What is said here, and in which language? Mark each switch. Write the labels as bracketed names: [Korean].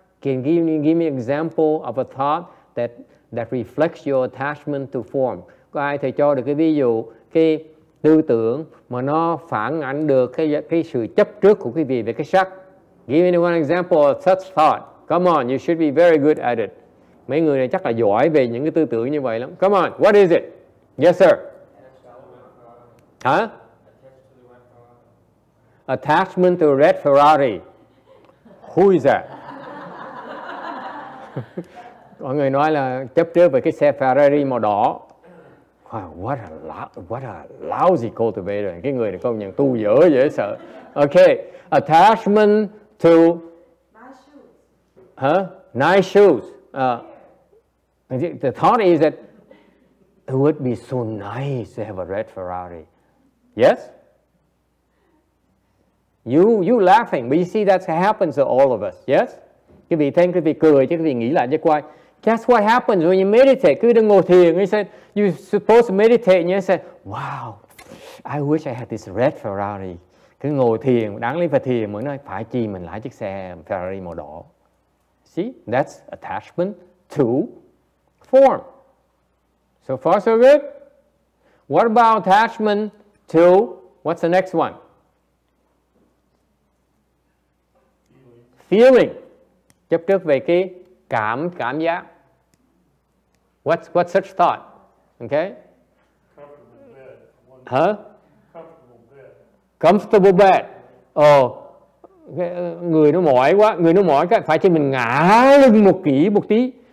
[English] Can you give me an example of a thought that reflects your attachment to form? [Vietnamese] Có ai thầy cho được cái ví dụ cái tư tưởng mà nó phản ảnh được cái sự chấp trước của quý vị về cái sắc? [English] Give me one example of such thought. Come on, you should be very good at it. [Vietnamese] Mấy người này chắc là giỏi về những cái tư tưởng như vậy lắm. [English] Come on, what is it? Yes, sir. Huh? Attachment to red Ferrari. Who is that? [Vietnamese] Mọi người nói là chấp trước về cái xe Ferrari màu đỏ. [English] Wow, what a lousy cultivator. [Vietnamese] Cái người này công nhận tu dở dễ sợ. [English] Okay, attachment to nice shoes. The thought is that it would be so nice to have a red Ferrari. Yes? You laughing, but you see that happens to all of us. Yes? [Vietnamese] Quý vị thấy quý vị cười chứ quý vị nghĩ lại chứ quay. [English] That's what happens when you meditate. [Vietnamese] Cứ đang ngồi thiền, [English] you said you're supposed to meditate, and you said, "Wow, I wish I had this red Ferrari." [Vietnamese] Cứ ngồi thiền, đáng lý phải thiền mới nói phải chi mình lái chiếc xe Ferrari màu đỏ. [English] See, that's attachment to form. So far, so good. What about attachment to what's the next one? Feeling. [Vietnamese] Chấp trước về cái cảm giác. [English] What's such thought? Okay? Comfortable bed. Huh? Comfortable bed. comfortable bed. [Vietnamese] Oh, người nó mỏi quá, người nó mỏi cái phải cho mình ngả lưng một kỹ một tí.